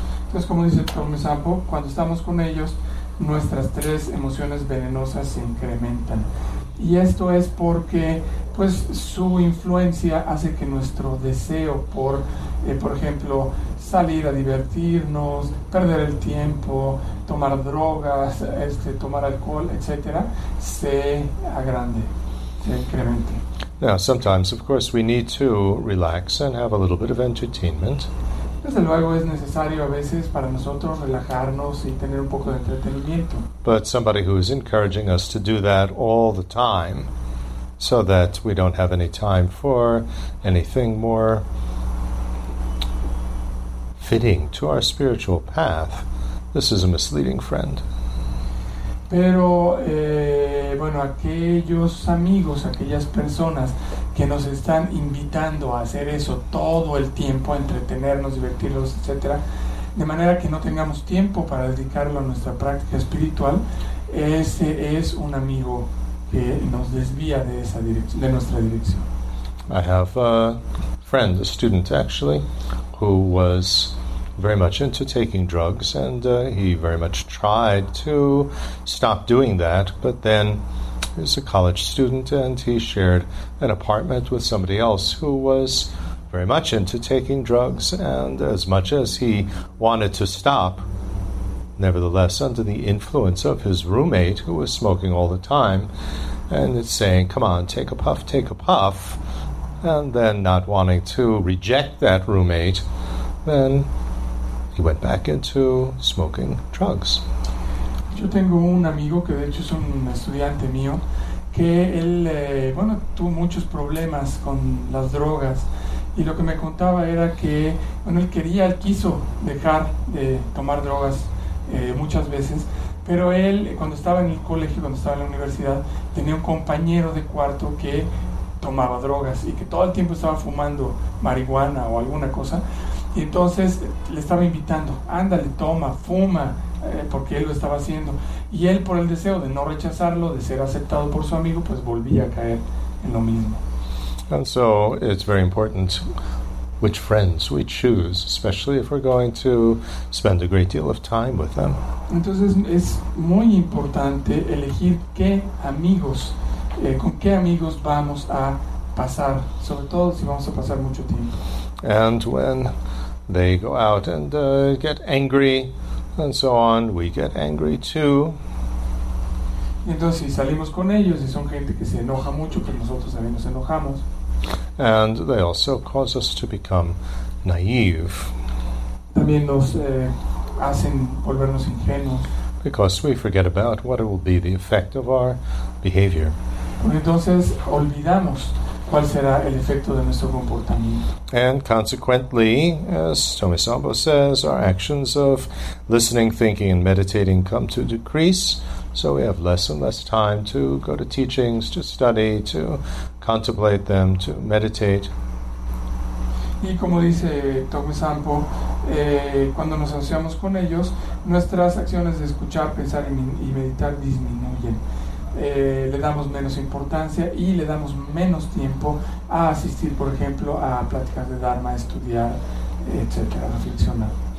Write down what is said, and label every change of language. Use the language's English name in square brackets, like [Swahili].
[Spanish] Entonces, como dice Tomi Sambo, cuando estamos con ellos, nuestras tres emociones venenosas se incrementan. Y esto es porque, pues, su influencia hace que nuestro deseo por ejemplo, salir a divertirnos, perder el tiempo, tomar drogas, tomar alcohol, etc., se agrande, se incremente. [English] Now, sometimes, of course, we need to relax and have a little bit of entertainment. [Spanish] Desde luego es necesario a veces para nosotros relajarnos y tener un poco de entretenimiento. [English] But somebody who is encouraging us to do that all the time, so that we don't have any time for anything more fitting to our spiritual path, this is a misleading friend. [Spanish] Pero, bueno, aquellos amigos, aquellas personas que nos están invitando a hacer eso todo el tiempo, a entretenernos, divertirnos, etc., de manera que no tengamos tiempo para dedicarlo a nuestra práctica espiritual, ese es un amigo que nos desvía de esa dirección, de nuestra dirección. [English] I have a friend, a student actually, who was very much into taking drugs, and he very much tried to stop doing that, but then he was a college student and he shared an apartment with somebody else who was very much into taking drugs, and as much as he wanted to stop, nevertheless, under the influence of his roommate who was smoking all the time and it's saying, come on, take a puff, and then not wanting to reject that roommate, then he went back into smoking drugs. [Spanish] Yo tengo un amigo que de hecho es un estudiante mío que él bueno, tuvo muchos problemas con las drogas, y lo que me contaba era que bueno, él quiso dejar de tomar drogas muchas veces, pero él cuando estaba en el colegio, cuando estaba en la universidad, tenía un compañero de cuarto que tomaba drogas y que todo el tiempo estaba fumando marihuana o alguna cosa. Y entonces le estaba invitando, ándale, toma, fuma, porque él lo estaba haciendo. Y él, por el deseo de no rechazarlo, de ser aceptado por su amigo, pues volvía a caer en lo mismo. [English] And so it's very important which friends we choose, especially if we're going to spend a great deal of time with them. [Spanish] Entonces es muy importante elegir qué amigos, con qué amigos vamos a pasar, sobre todo si vamos a pasar mucho tiempo. [English] And when they go out and get angry and so on, we get angry too. [Spanish] Entonces, si salimos con ellos y son gente que se enoja mucho, pues nosotros también nos enojamos. [English] And they also cause us to become naive. [Spanish] También nos hacen volvernos ingenuos. [English] Because we forget about what will be the effect of our behavior. [Spanish] Porque entonces olvidamos cuál será el efecto de nuestro comportamiento. [English] And consequently, as Tomi Sambo says, our actions of listening, thinking, and meditating come to decrease, so we have less and less time to go to teachings, to study, to contemplate them, to meditate. [Spanish] Y como dice Tomi Sambo, cuando nos asociamos con ellos, nuestras acciones de escuchar, pensar y meditar disminuyen. Le damos menos importancia y le damos menos tiempo a asistir, por ejemplo, a pláticas de Dharma, estudiar, etc., reflexionar.